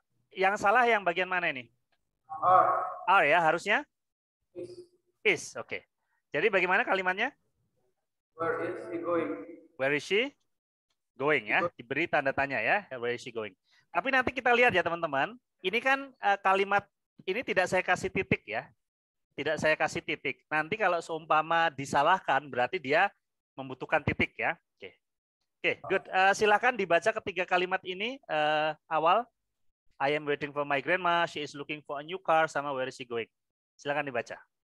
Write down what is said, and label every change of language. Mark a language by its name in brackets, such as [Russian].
[Indonesian] Yang salah yang bagian mana ini? [English] Are [Indonesian] ya, harusnya? [English] Is. Oke. Okay. [Indonesian] Jadi bagaimana kalimatnya? [English] Where is she going? Where is she going ya? [Indonesian] Diberi tanda tanya ya, [English] where is she going? [Indonesian] Tapi nanti kita lihat ya teman-teman. Ini kan kalimat ini tidak saya kasih titik ya. Tidak saya kasih titik. Nanti kalau seumpama disalahkan berarti dia membutuhkan titik ya. Oke. Oke, good. Silakan dibaca ketiga kalimat ini awal. [English] I am waiting for my grandma, she is looking for a new car sama where is she going. Silakan dibaca.